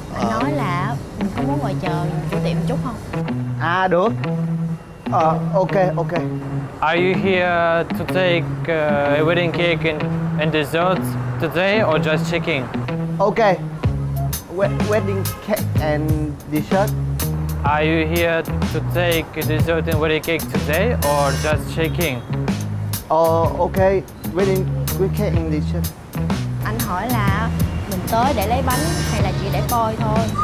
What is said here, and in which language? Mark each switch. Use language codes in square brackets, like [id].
[vi] Nói là mình có muốn ngồi chờ chủ tiệm một chút không? À, được. Okay. [en] Are you here to take a wedding cake and dessert today or just checking? Okay. Wedding cake and dessert. Are you here to take a dessert and wedding cake today or just checking? Okay. Wedding cake and dessert. [vi] Anh hỏi là mình tới để lấy bánh hay là chỉ để coi thôi.